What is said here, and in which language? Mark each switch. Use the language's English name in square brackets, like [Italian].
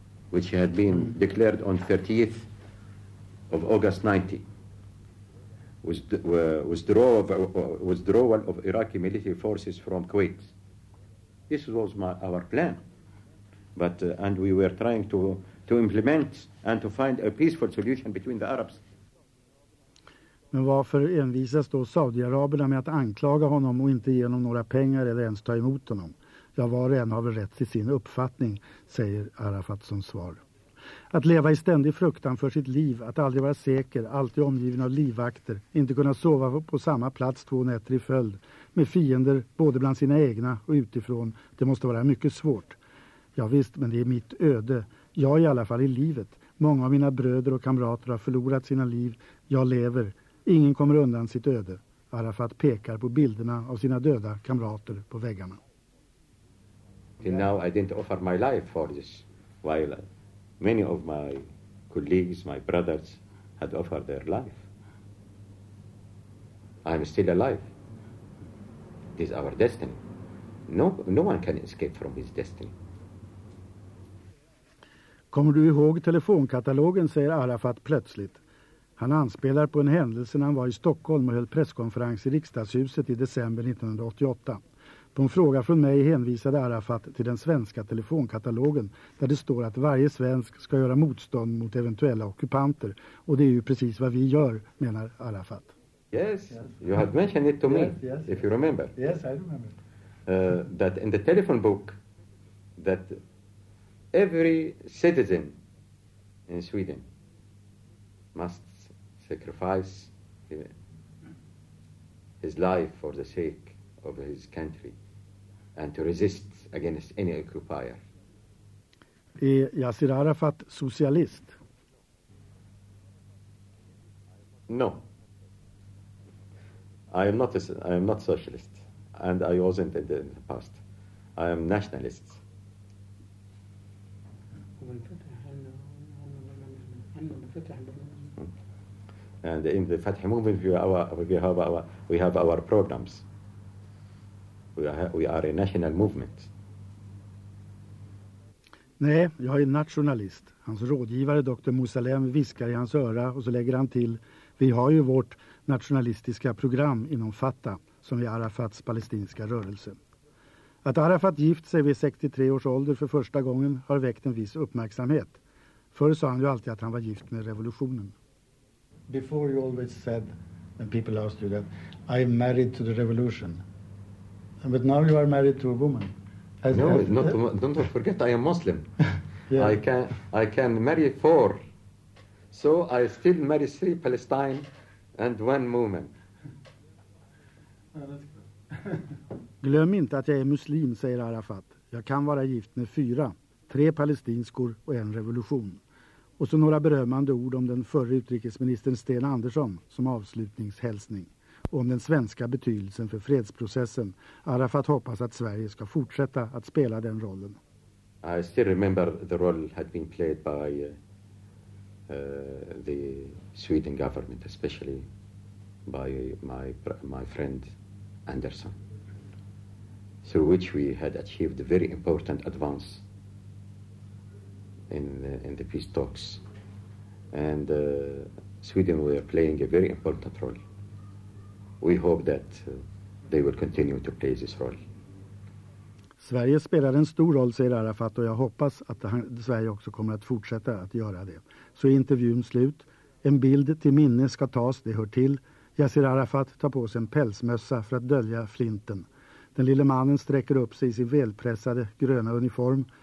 [English] Which had been declared on 30th of August 90. Withdrawal of Iraqi military forces from Kuwait. This was our plan. And we were trying to implement and to find a peaceful solution between the Arabs. [Swedish] Men varför envisas då Saudiarabierna med att anklaga honom och inte ge honom några pengar eller ens ta emot honom? Ja, var och en har väl rätt till sin uppfattning, säger Arafat som svar. Att leva i ständig fruktan för sitt liv, att aldrig vara säker, alltid omgiven av livvakter, inte kunna sova på samma plats två nätter i följd, med fiender både bland sina egna och utifrån, det måste vara mycket svårt. Ja visst, men det är mitt öde. Jag i alla fall i livet. Många av mina bröder och kamrater har förlorat sina liv. Jag lever. Ingen kommer undan sitt öde. Arafat pekar på bilderna av sina döda kamrater på väggarna. [English] Till now I didn't offer my life for this violence. Many of my colleagues, my brothers, had offered their life. I'm still alive. It is our destiny. No one can escape from his destiny. [Swedish] Kommer du ihåg telefonkatalogen, säger Arafat plötsligt. Han anspelar på en händelse när han var i Stockholm och höll presskonferens i riksdagshuset i december 1988. På en fråga från mig hänvisade Arafat till den svenska telefonkatalogen där det står att varje svensk ska göra motstånd mot eventuella ockupanter. Och det är ju precis vad vi gör, menar Arafat. [English] Yes, you had mentioned it to me, if you remember. Yes, I remember. That in the telephone book that every citizen in Sweden must sacrifice his life for the sake of his country. And to resist against any occupier. [Swedish] Är Yasser Arafat socialist? [English] No. I am not socialist. And I wasn't in the past. I am nationalist. And in the Fatah movement we have our programs. We are a national movement. [Swedish] Nej, jag är nationalist. Hans rådgivare, Dr. Mousalem, viskar i hans öra och så lägger han till: vi har ju vårt nationalistiska program inom Fatah, som är Arafats palestinska rörelse. Att Arafat gift sig vid 63 års ålder för första gången har väckt en viss uppmärksamhet. Förr sa han ju alltid att han var gift med revolutionen. [English] Before you always said, and people asked you that, I am married to the revolution. But now you are married to a woman. Don't forget, I am Muslim. Yeah. I can marry four. So I still marry three Palestine and one woman. [Swedish] Glöm inte att jag är muslim, säger Arafat. Jag kan vara gift med fyra. Tre palestinskor och en revolution. Och så några berömmande ord om den förre utrikesministern Sten Andersson som avslutningshälsning. Om den svenska betydelsen för fredsprocessen. Arafat hoppas att Sverige ska fortsätta att spela den rollen. [English] I still remember the role had been played by the Sweden government, especially by my friend Andersson, through which we had achieved a very important advance in the peace talks. And Sweden were playing a very important role. We hope that they will continue to play this role. [Swedish] Sverige spelar en stor roll, säger Arafat, och jag hoppas att Sverige också kommer att fortsätta att göra det. Så är intervjun slut. En bild till minne ska tas, det hör till. Yasser Arafat tar på sig en pälsmössa för att dölja flinten. Den lille mannen sträcker upp sig i sin välpressade gröna uniform.